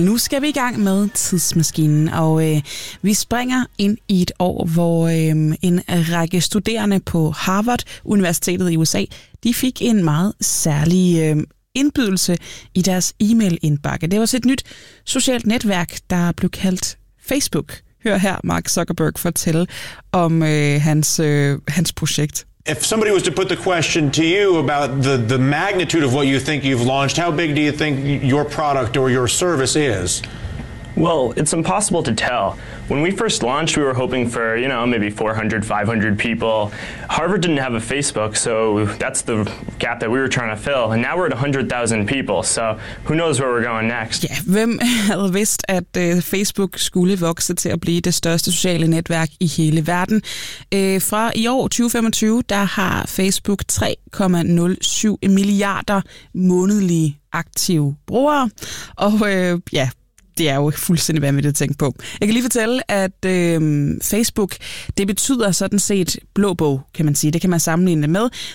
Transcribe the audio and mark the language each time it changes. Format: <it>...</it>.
<da>Nu skal vi i gang med tidsmaskinen, og vi springer ind i et år, hvor en række studerende på Harvard Universitetet i USA, de fik en meget særlig indbydelse i deres e-mail-indbakke. Det var også et nyt socialt netværk, der blev kaldt Facebook. Hør her Mark Zuckerberg fortælle om hans projekt.</da> <en>If somebody was to put the question to you about the magnitude of what you think you've launched, how big do you think your product or your service is? Well, it's impossible to tell. When we first launched, we were hoping for, you know, maybe 400, 500 people. Harvard didn't have a Facebook, so that's the gap that we were trying to fill. And now we're at 100,000 people, so who knows where we're going next.</en> <da>Ja, hvem havde vidst, at Facebook skulle vokse til at blive det største sociale netværk i hele verden? Fra i år 2025, der har Facebook 3,07 milliarder månedlige aktive brugere. Og ja, det er jo fuldstændig vanvittigt at tænke på. Jeg kan lige fortælle, at Facebook, det betyder sådan set blå bog, kan man sige. Det kan man sammenligne det med.</da>